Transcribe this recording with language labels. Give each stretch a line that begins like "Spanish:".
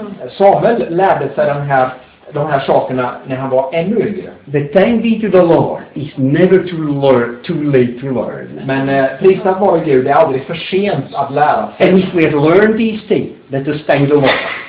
Swedish: Samuel lärde sig de här sakerna när han var ännu yngre.
English: But thank be to the Lord, it's never too late to learn.
Swedish: Men prisad vare Gud, det är aldrig för sent att lära sig.
English: And if we have learned these things, let us thank the Lord.